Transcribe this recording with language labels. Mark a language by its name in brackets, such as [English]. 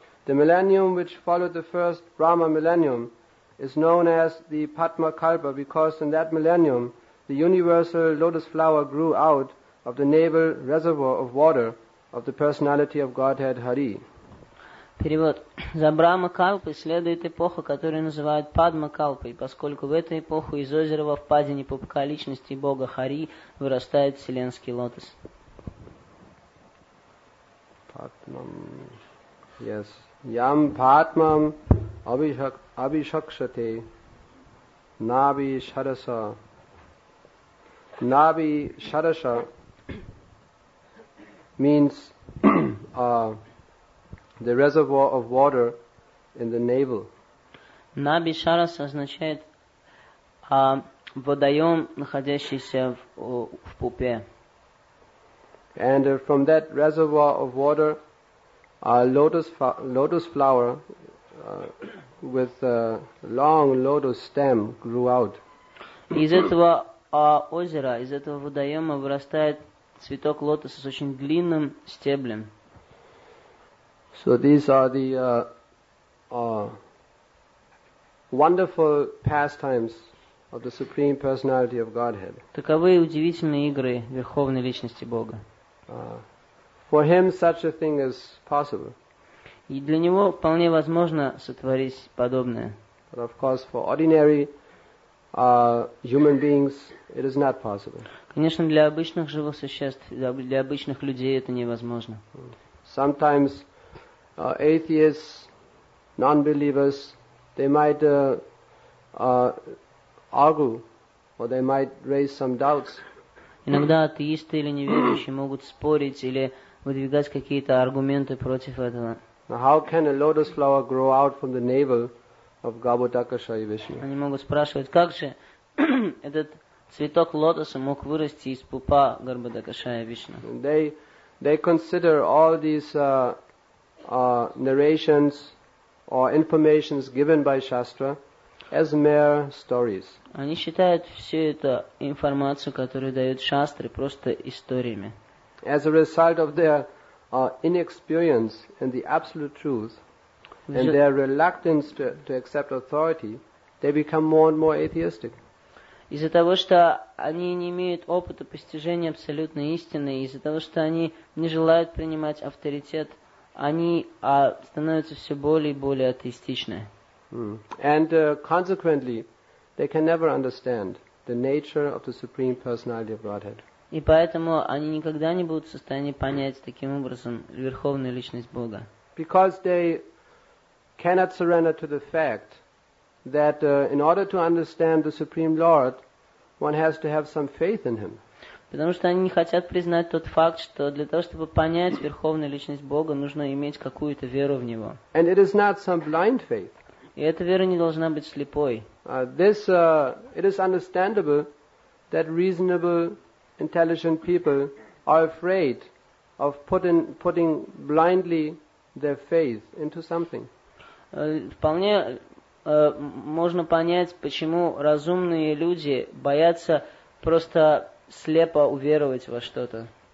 [English] The millennium which followed the first Brahma millennium is known as the Padma Kalpa because in that millennium the universal lotus flower grew out of the navel reservoir of water of the personality of Godhead Hari. [Russian] Перевод. За Брахма Калпой следует эпоха, которую называют Падма Калпой, поскольку в эту эпоху из озера во впадине пупка личности Бога Хари вырастает вселенский лотос. [Sanskrit] Патмам. [English] Yes. [Sanskrit] Ям патмам абишакшате наби шараса. [English] Наби шараса means the reservoir of water in the navel. [Russian] Наби шарас означает водоем, находящийся в пупе. [English] And from that reservoir of water, a lotus flower with a long lotus stem grew out. [Russian] Из этого озера, из этого водоема вырастает цветок лотоса с очень длинным стеблем. [English] So these are the wonderful pastimes of the Supreme Personality of Godhead. [Russian] Таковы удивительные игры Верховной Личности Бога. [English] For him such a thing is possible. [Russian] И для него вполне возможно сотворить подобное. [English] But of course for ordinary human beings it is not possible. [Russian] Конечно, для обычных живых существ, для обычных людей это невозможно. [English] Sometimes atheists, non-believers, they might argue, or they might raise some doubts. [Russian] Иногда атеисты или неверующие могут спорить или выдвигать какие-то аргументы против этого. [English] Now, how can a lotus flower grow out from the navel of Gaudakasha и Вишну? [Russian] Они могут спрашивать, как же этот цветок лотоса мог вырасти из пупа Гарбадакаша и Вишну? [English] They consider all these narrations or informations given by Shastra as mere stories. [Russian] Они считают всю эту информацию, которую дают Шастры, просто историями. [English] As a result of their inexperience in the absolute truth and their reluctance to accept authority, they become more and more atheistic. [Russian] Из-за того, что они не имеют опыта постижения абсолютной истины, из-за того, что они не желают принимать авторитет, они становятся все более и более атеистичны. [English] And consequently, they can never understand the nature of the Supreme Personality of Godhead. [Russian] И поэтому они никогда не будут в состоянии понять таким образом Верховную Личность Бога. [English] Because they cannot surrender to the fact that in order to understand the Supreme Lord, one has to have some faith in him. [Russian] Потому что они не хотят признать тот факт, что для того, чтобы понять Верховную Личность Бога, нужно иметь какую-то веру в Него. [English] And it is not some blind faith. [Russian] И эта вера не должна быть слепой. [English] It is understandable that reasonable, intelligent people are afraid of putting blindly their faith into something. [Russian] Вполне можно понять, почему разумные люди боятся просто слепо уверовать во что-то.